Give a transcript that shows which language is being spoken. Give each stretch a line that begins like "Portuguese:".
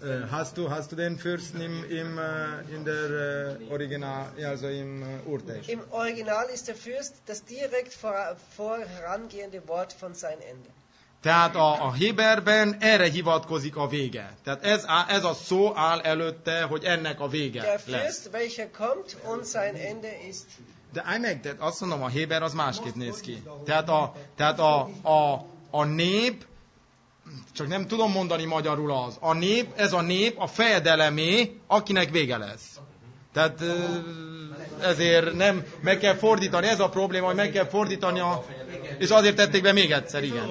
German: Hast du den Fürsten in der Original, also im Urtext? Im Original ist der Fürst das direkt vorangehende Wort von sein Ende.
Hungarian: Tehát a Héberben erre hivatkozik a vége. Tehát ez a szó áll előtte, hogy ennek a vége lesz.
German: Der Fürst, welcher kommt und sein Ende ist...
Hungarian: De azt mondom, a Héber az másképp néz ki. Tehát a nép, csak nem tudom mondani magyarul az, a nép, ez a nép a fejedelemé, akinek vége lesz. Tehát ezért nem, meg kell fordítani, ez a probléma, hogy meg kell fordítani, és azért tették be még egyszer, igen.